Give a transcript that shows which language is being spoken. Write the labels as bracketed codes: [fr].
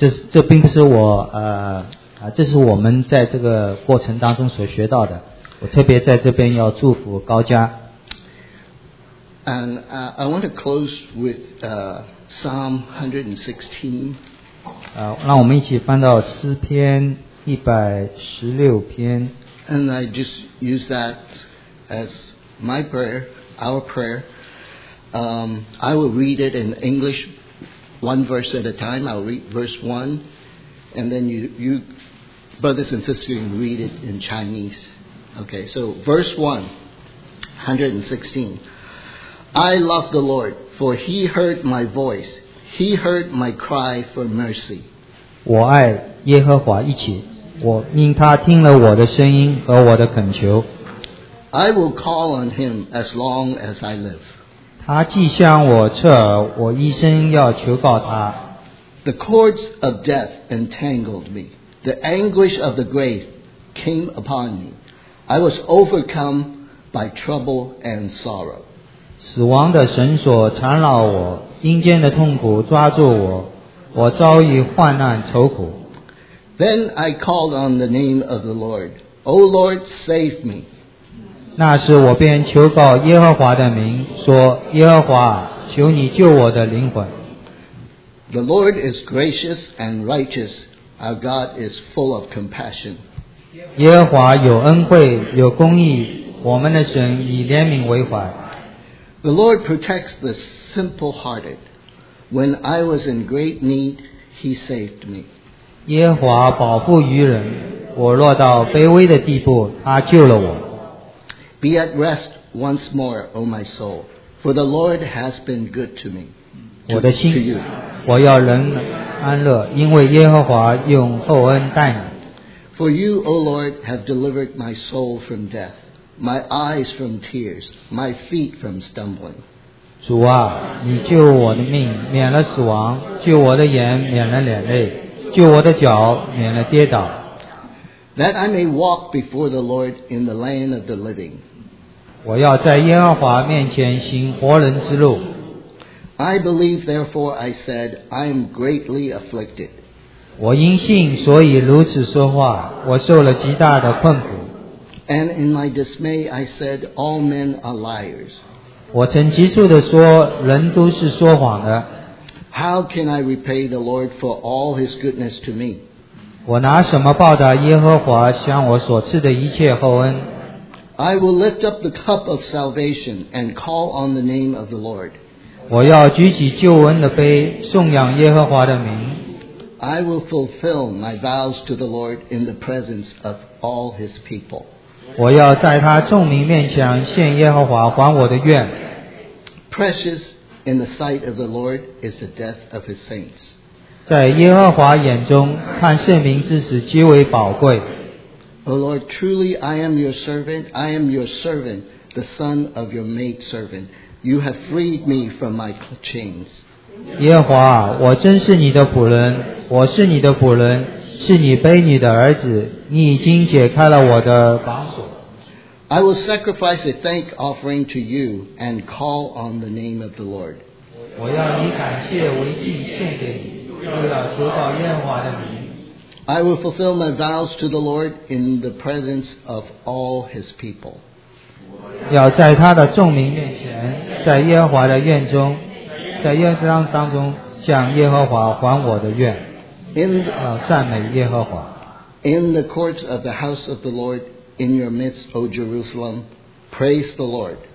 [zh] 这并不是我这是我们在这个过程当中所学到的。我特别在这边要祝福高佳。 [en] And I want to close with. Psalm 116. [zh] 让我们一起翻到诗篇116篇。 [en] And I just use that as my prayer, our prayer. I will read it in English one verse at a time. I'll read verse 1. And then you brothers and sisters, can read it in Chinese. Okay, so verse 1, 116. I love the Lord.For he heard my voice, he heard my cry for mercy. [zh] 我爱耶和华一起，我因他听了我的声音和我的恳求。 [en] I will call on him as long as I live. [zh] 他既向我侧耳，我一生要求告他。 [en] The cords of death entangled me. The anguish of the grave came upon me. I was overcome by trouble and sorrow. [zh] 死亡的绳索缠绕我，阴间的痛苦抓住我，我遭遇患难愁苦。 [en] Then I called on the name of the Lord. O Lord, save me. [zh] 那时我便求告耶和华的名，说：耶和华，求你救我的灵魂。 [en] The Lord is gracious and righteous. Our God is full of compassion. [zh] 耶和华有恩惠，有公义，我们的神以怜悯为怀。 [en] The Lord protects the simple-hearted. When I was in great need, He saved me. [zh] 耶和华保护愚人，我落到卑微的地步，他救了我。 [en] Be at rest once more, O my soul, for the Lord has been good to me. [zh] 我的心，我要仍安乐，因为耶和华用厚恩待你。 [en] For you, O Lord, have delivered my soul from death, my eyes from tears, my feet from stumbling. [zh] 主啊，你救我的命，免了死亡；救我的眼，免了眼泪；救我的脚，免了跌倒。 [en] That I may walk before the Lord in the land of the living. [zh] 我要在耶和华面前行活人之路。 [en] I believe, therefore, I said, I am greatly afflicted. [zh] 我因信，所以如此说话，我受了极大的困苦。 [en] And in my dismay, I said, all men are liars. [zh] 我曾急促地说，人都是说谎的。 [en] How can I repay the Lord for all his goodness to me? [zh] 我拿什么报答耶和华向我所赐的一切厚恩？ [en] I will lift up the cup of salvation and call on the name of the Lord. [zh] 我要举起救恩的杯，颂扬耶和华的名。 [en] I will fulfill my vows to the Lord in the presence of all his people. [zh] 我要在他众民面前献耶和华还我的愿。 [en] Precious in the sight of the Lord is the death of his saints. [zh] 在耶和华眼中，看圣民之死极为宝贵。 [en] O Lord, truly I am your servant, I am your servant, the son of your maidservant. You have freed me from my chains. [zh] 耶和华，我真是你的仆人，我是你的仆人，是你卑女的儿子，你已经解开了我的绑锁。 [en] I will sacrifice a thank offering to you and call on the name of the Lord. [zh] 我要以感谢为祭献给你。 [en] I will fulfill my vows to the Lord in the presence of all his people. [zh] 要在他的众民面前，在耶和华的院中，在院章当中向耶和华还我的愿。赞美耶和华。 [en] In the courts of the house of the Lord, in your midst, O Jerusalem, praise the Lord.